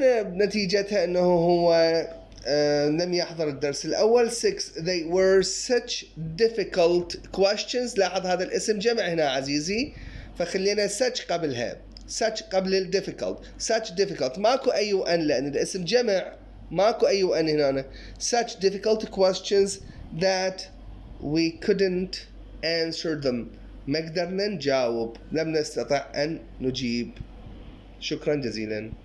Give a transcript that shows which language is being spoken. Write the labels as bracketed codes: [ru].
[ar] نتيجتها أنه هو لم يحضر الدرس الأول. [en] 6 they were such difficult questions. [ar] لاحظ هذا الاسم جمع هنا عزيزي. فخلينا such قبلها. such قبل difficult. [en] such difficult. [ar] ماكو أي وأن لأن الاسم جمع. ماكو أي وأن هنا. [en] such difficult questions that we couldn't answer them. [ar] ما قدرنا نجاوب، لم نستطع أن نجيب. شكرا جزيلا.